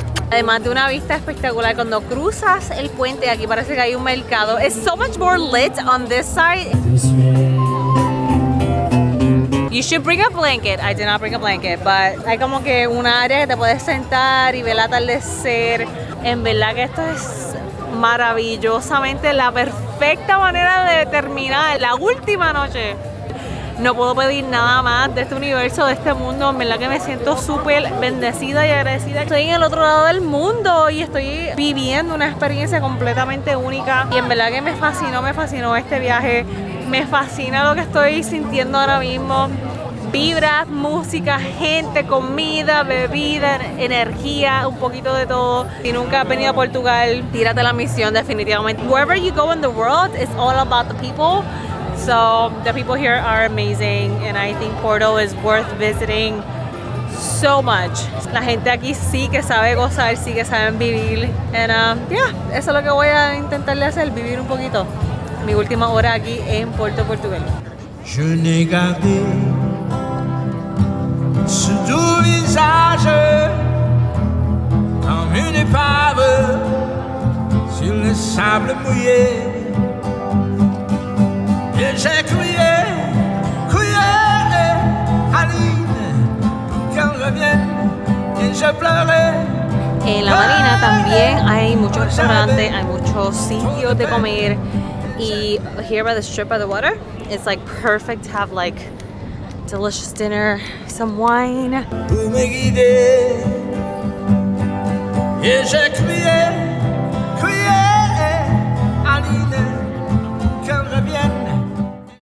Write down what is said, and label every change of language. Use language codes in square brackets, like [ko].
[es] Además de una vista espectacular, cuando cruzas el puente, aquí parece que hay un mercado. [en] It's so much more lit on this side. You should bring a blanket. I did not bring a blanket, but [es] hay como que un área que te puedes sentar y ver el atardecer. En verdad que esto es maravillosamente la perfecta manera de terminar la última noche. No puedo pedir nada más de este universo, de este mundo. En verdad que me siento súper bendecida y agradecida. Estoy en el otro lado del mundo y estoy viviendo una experiencia completamente única. Y en verdad que me fascinó este viaje. Me fascina lo que estoy sintiendo ahora mismo. Vibras, música, gente, comida, bebida, energía, un poquito de todo. Si nunca has venido a Portugal, tírate la misión definitivamente. [en] Wherever you go in the world, it's all about the people. So the people here are amazing and I think Porto is worth visiting so much. [es] La gente aquí sí que sabe gozar, sí que saben vivir. [en] And yeah, [es] eso es lo que voy a intentarle hacer, vivir un poquito. Mi última hora aquí en Porto, Portugal. [fr] Je n'ai gardé sur tout visage comme une épave sur le sable mouillé. Et j'ai crié Aline pour qu'elle revienne. Et je pleurais. [es] En la marina también hay muchos restaurantes, hay muchos sitios de comer. [en] Y here by the strip by the water, it's like perfect to have like delicious dinner, some wine. [fr] Pour me guider, et j'ai crié, Aline, qu'elle revienne.